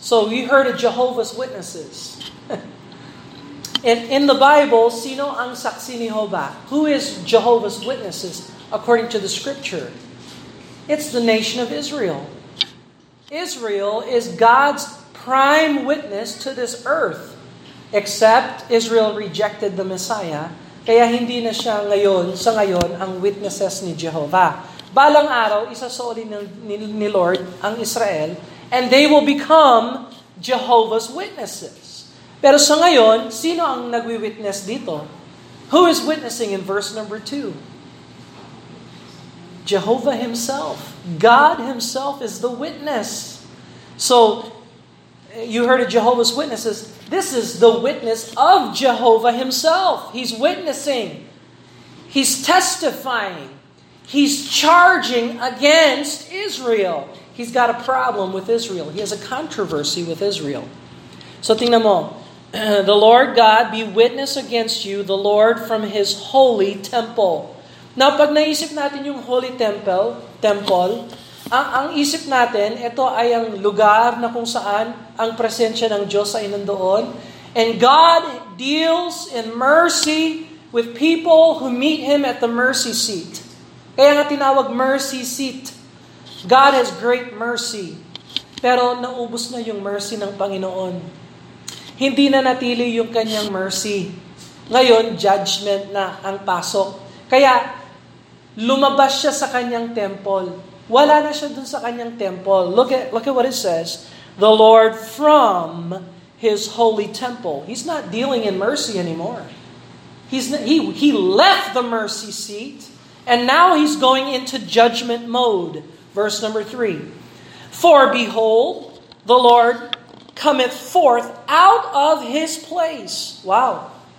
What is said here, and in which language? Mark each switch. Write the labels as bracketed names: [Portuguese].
[English] So we heard of Jehovah's Witnesses. In the Bible, [Filipino] sino ang saksi ni Jehovah? [English] Who is Jehovah's Witnesses according to the scripture? It's the nation of Israel. Israel is God's prime witness to this earth. Except Israel rejected the Messiah. [Filipino] Kaya hindi na siya ngayon, sa ngayon, ang witnesses ni Jehovah. Balang araw, isasoli ni Lord ang Israel, [English] and they will become Jehovah's Witnesses. [Filipino] Pero sa ngayon, sino ang nagwi-witness dito? [English] Who is witnessing in verse number 2? Jehovah Himself. God Himself is the witness. So, you heard of Jehovah's Witnesses. This is the witness of Jehovah Himself. He's witnessing. He's testifying. He's charging against Israel. He's got a problem with Israel. He has a controversy with Israel. [Filipino] So tingnan mo. [English] The Lord God be witness against you, the Lord from His holy temple. [Filipino] Now, pag naisip natin yung holy temple, ang isip natin, ito ay ang lugar na kung saan ang presensya ng Diyos ay nandoon. [English] And God deals in mercy with people who meet Him at the mercy seat. [Filipino] Kaya nga tinawag mercy seat. [English] God has great mercy. [Filipino] Pero naubos na yung mercy ng Panginoon. Hindi na natili yung kanyang mercy. Ngayon, judgment na ang pasok. Kaya, lumabas siya sa kanyang temple. Wala na siya dun sa kanyang temple. [English] Look at what it says. The Lord from His holy temple. He's not dealing in mercy anymore. He left the mercy seat. And now He's going into judgment mode. Verse number 3. For behold, the Lord cometh forth out of His place. Wow.